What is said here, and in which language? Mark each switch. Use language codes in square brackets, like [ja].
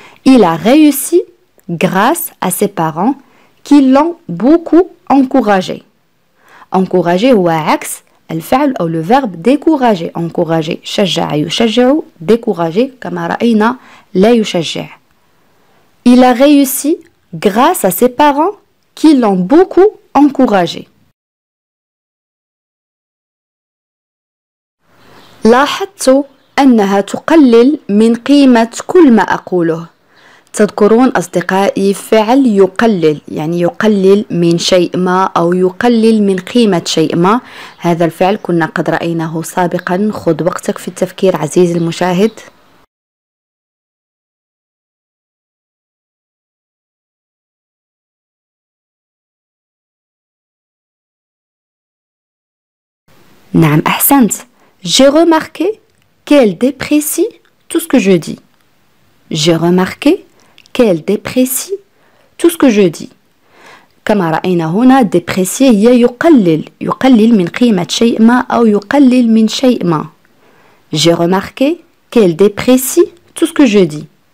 [fr] Il a réussi grâce à ses parents qui l'ont beaucoup encouragé. Encouragé ou axe, [ar] الفعل أو الفعل décourager encourager شجع يشجع décourager كما رأينا لا يشجع. [fr] Il a réussi grâce à ses parents qui l'ont beaucoup encouragé. [ar] لاحظت أنها تقلل من قيمة كل ما أقوله. تذكرون أصدقائي فعل يقلل يعني يقلل من شيء ما أو يقلل من قيمة شيء ما. هذا الفعل كنا قد رأيناه سابقا. خذ وقتك في التفكير عزيزي المشاهد. نعم أحسنت. [fr] J'ai remarqué qu'elle déprécie tout ce que je dis. J'ai remarqué qu'elle déprécie tout ce que je dis. [ar] كما رأينا هنا déprécier هي يقلل. يقلل من قيمة شيء ما أو يقلل من شيء ما. [fr] J'ai remarqué qu'elle déprécie tout ce que je dis.